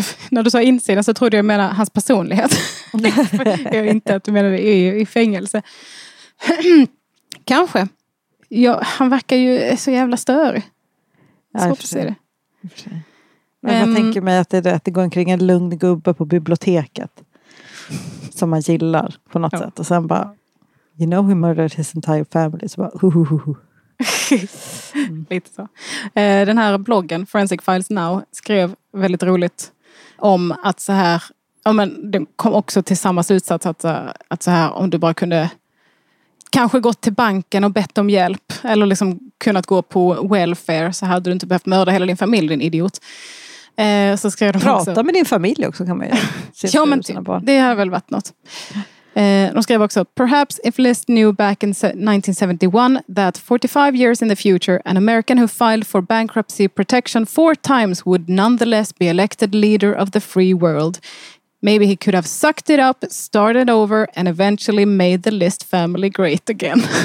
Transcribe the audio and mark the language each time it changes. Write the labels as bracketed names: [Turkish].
[Swedish] När du sa insidan så trodde jag att du menade hans personlighet. Jag vet inte att du menade i fängelse. Kanske. Ja, han verkar ju så jävla störig. Ja, jag får se det. Men jag tänker mig att det går omkring en lugn gubbe på biblioteket. Som man gillar på något sätt. Och sen bara, [English] you know he murdered his entire family. [Swedish] Så bara, Lite så. Den här bloggen, Forensic Files Now, skrev väldigt roligt om att så här, ja men den kom också till samma slutsats att så här, om du bara kunde kanske gått till banken och bett om hjälp eller liksom kunnat gå på welfare så hade du inte behövt mörda hela din familj, din idiot. Så skrev de prata också, med din familj också kan man ju. Ja men det har väl varit något. De skrev också, [English] perhaps if List knew back in 1971 that 45 years in the future an American who filed for bankruptcy protection 4 times would nonetheless be elected leader of the free world. Maybe he could have sucked it up, started over and eventually made the List family great again.